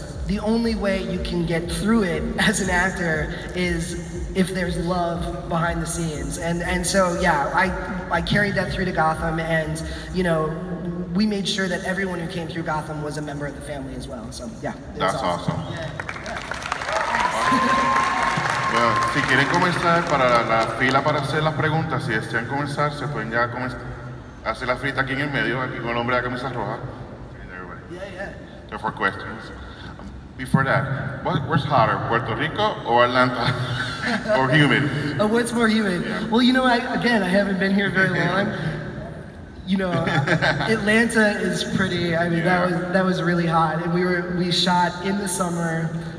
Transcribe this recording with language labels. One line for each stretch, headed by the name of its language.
English: The only way you can get through it as an actor is if there's love behind the scenes. And so, yeah, I carried that through to Gotham, and, you know, we made sure that everyone who came through Gotham was a member of the family as well. So, yeah, that's awesome.
Spanish: Bueno, si quieren comenzar para la fila para hacer las preguntas, si desean comenzar, se pueden ya hacer la frita aquí en el medio, aquí con el hombre de la camisa roja.
English: Yeah. For questions. Before that, what's hotter, Puerto Rico or Atlanta? Or human. What's more human? Yeah. Well, you know, I haven't been here very long. You know, Atlanta is pretty. I mean, that was really hot, and we shot in the summer.